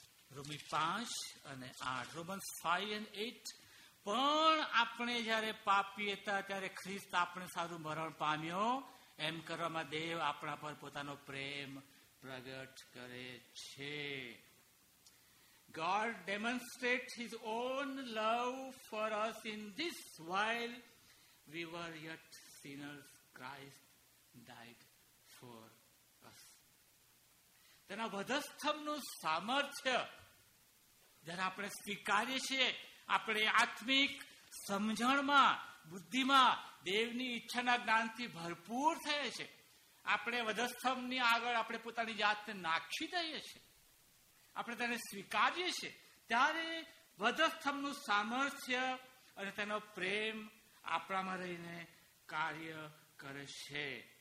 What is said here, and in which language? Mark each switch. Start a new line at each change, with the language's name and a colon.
Gujarati: રોમી 5 અને 8, રોમન્સ 5 અને 8. પણ આપણે જયારે પાપી હતા ત્યારે ખ્રિસ્ત આપણે સારું મરણ પામ્યો, એમ કરવામાં દેવ આપણા પર પોતાનો પ્રેમ પ્રગટ કરે છે.
English: God demonstrates His own love for us in this, while we were yet sinners, Christ died for us.
Gujarati: તેના વધસ્તંભનું સામર્થ્ય જ્યારે આપણે સ્વીકારીએ છીએ, આપણે આત્મિક સમજણમાં બુદ્ધિમાં દેવની ઈચ્છાના જ્ઞાનથી ભરપૂર થયે છે, આપણે વધસ્તંભની આગળ આપણે પોતાની જાતને નાખી દઈએ છીએ, આપણે તેને સ્વીકારીએ છીએ, ત્યારે વધસ્તંભનું સામર્થ્ય અને તેનો પ્રેમ આપણામાં રહીને કાર્ય કરે છે.